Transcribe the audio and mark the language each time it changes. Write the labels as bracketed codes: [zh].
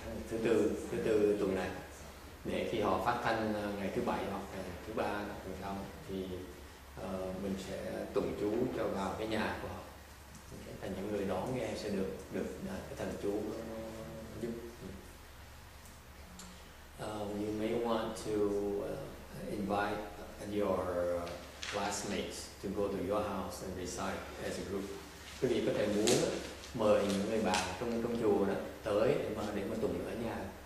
[vi] Thứ tư tuần này, để khi họ phát thanh ngày thứ bảy hoặc ngày thứ ba tuần sau thì mình sẽ tụng chú cho vào cái nhà của họ, và những người đó nghe sẽ được cái thần chú giúp. [en] You may want to invite your classmates to go to your house and recite as a group. [vi] Quý vị có thể muốn mời những người bạn trong chùa đó tới để mà tụng ở nhà.